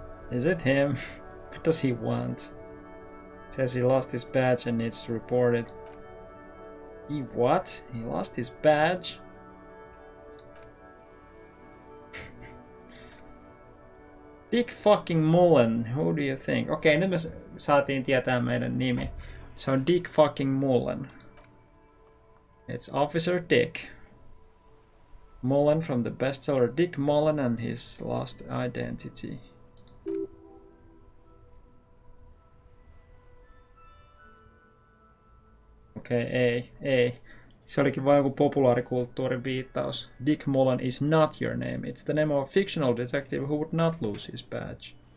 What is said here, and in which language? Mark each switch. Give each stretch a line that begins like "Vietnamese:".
English: Is it him? What does he want? Says he lost his badge and needs to report it. He what? He lost his badge? Dick fucking Mullen, who do you think?
Finnish: Okei, nyt me saatiin tietää meidän nimi. Se on
English: Dick fucking Mullen. It's Officer Dick. Mullen from the bestseller Dick Mullen and his lost identity.
Finnish: Okei, ei, ei. Se olikin vain joku populaarikulttuurin viittaus.
English: Dick Mullen is not your name. It's the name of a fictional detective who would not lose his badge.